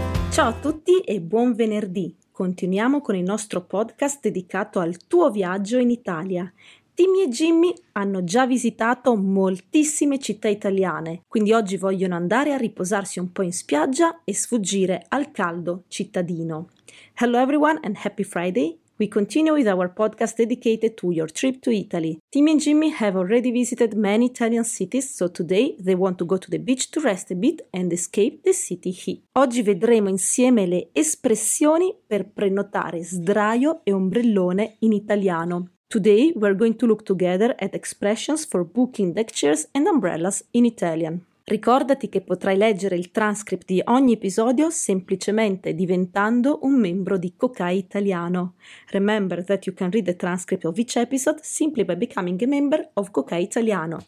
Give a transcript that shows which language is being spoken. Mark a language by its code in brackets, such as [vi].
[it] Ciao a tutti e buon venerdì! Continuiamo con il nostro podcast dedicato al tuo viaggio in Italia. Timmy e Jimmy hanno già visitato moltissime città italiane, quindi oggi vogliono andare a riposarsi un po' in spiaggia e sfuggire al caldo cittadino. [en] Hello everyone and happy Friday! We continue with our podcast dedicated to your trip to Italy. Timmy and Jimmy have already visited many Italian cities, so today they want to go to the beach to rest a bit and escape the city heat. [it] Oggi vedremo insieme le espressioni per prenotare sdraio e ombrellone in italiano. [en] Today we're going to look together at expressions for booking deck chairs and umbrellas in Italian. [it] Ricordati che potrai leggere il transcript di ogni episodio semplicemente diventando un membro di Cocai Italiano. [en] Remember that you can read the transcript of each episode simply by becoming a member of Cocai Italiano.